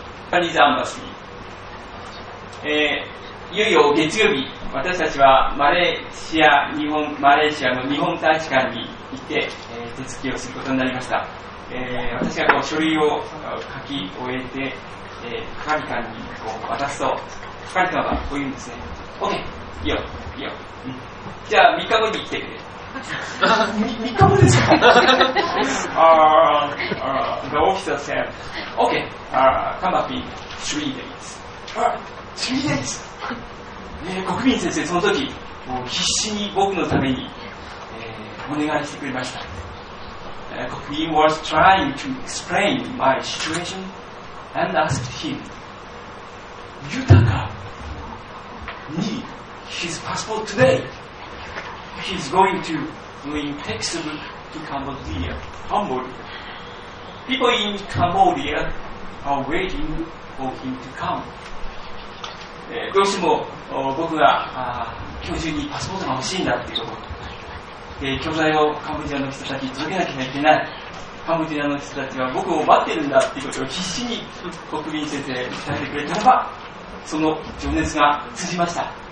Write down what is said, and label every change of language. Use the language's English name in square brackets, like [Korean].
[Japanese] パリザンバスに、いよいよ月曜日、私たちはマレーシア、日本マレーシアの日本大使館に行って、手続きをすることになりました。私がこう書類を書き終えて、係官にこう渡すと、係官はこう言うんですね。 OK、 いいよ、いいよ、うん、じゃあ3日後に来てくれ。 3日後ですか？ [English] The officer said OK、come up in 3 days。 3 days？ [Japanese] 国民先生、その時もう必死に僕のために、お願いしてくれました。 [English] He was trying to explain my situation and asked him, Yutaka need his passport today. He's going to bring textbook to Cambodia, Cambodia. People in Cambodia are waiting for him to come. [Japanese] どうしても僕が今日中にパスポートが欲しいんだっていうところ、教材をカンボジアの人たちに届けなきゃいけない、カンボジアの人たちは僕を待ってるんだっていうことを必死に国民先生に伝えてくれたのが、その情熱が通じました。